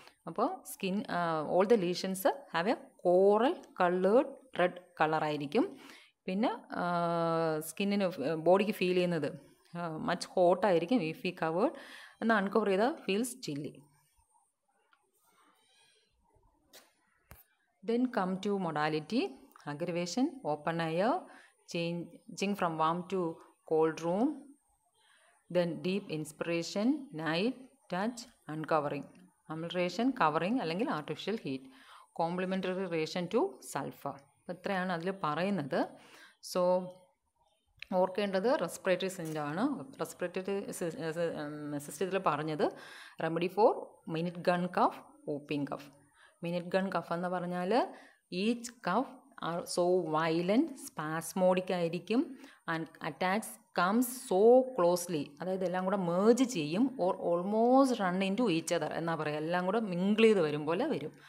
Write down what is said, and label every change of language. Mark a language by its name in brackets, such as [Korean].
[English] അപ്പോൾ skin all the lesions have a coral coloured red കളറായിരിക്കും. [Malayalam] പിന്നെ സ്കിന്നിന് ബോഡിക്ക് ഫീൽ ചെയ്യുന്നത് മച്ച് ഹോട്ടായിരിക്കും ഇഫ് ഈ കവേർഡ് എന്ന് അൺകവർ ചെയ്താൽ [English] Feels chilly. Then come to modality, aggravation, open air, changing from warm to cold room, then deep inspiration, night, touch, uncovering, amelioration, covering, allengil artificial heat, complementary reaction to sulfur. [Malayalam] ഇത്രയാണ് അതിൽ പറയുന്നത്. So ഓർക്കേണ്ടത് respiratory syndrome ആണ്. Respiratory സിസ്റ്റത്തിൽ പറഞ്ഞത് [English] remedy for minute gun cough, [Malayalam] ഓപ്പിംഗ് cough. Minute gun cough എന്ന് പറഞ്ഞാൽ each cough are so violent, spasmodic ആയിരിക്കും, and attach comes so closely, അതായത് എല്ലാം കൂടെ മേർജ് ചെയ്യും, [English] or almost run into each other [Malayalam] എന്നാ പറയുക, എല്ലാം കൂടെ മിംഗിൾ ചെയ്ത് വരും പോലെ വരും.